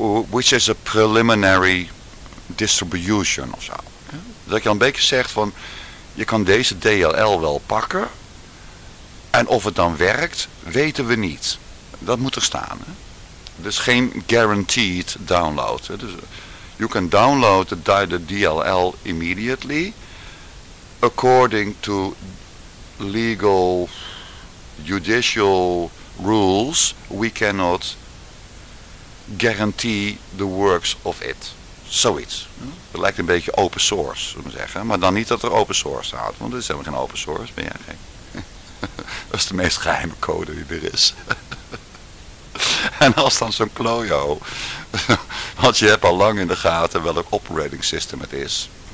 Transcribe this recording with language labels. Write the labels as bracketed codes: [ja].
[en] which is a preliminary distribution of zo. [nl] Dat je een beetje zegt van, je kan deze DLL wel pakken. En of het dan werkt, weten we niet. Dat moet er staan. Hè? Dus geen [en] guaranteed download. [nl] Hè? Dus [en] you can download the DLL immediately. According to legal judicial rules, we cannot... guarantee the works of it. [nl] Zoiets. Het lijkt een beetje open source, zou ik zeggen. Maar dan niet dat er open source staat, want er is helemaal geen open source. Ben jij gek? Dat is de meest geheime code die er is. En als dan zo'n klojo, want je hebt al lang in de gaten welk operating system het is.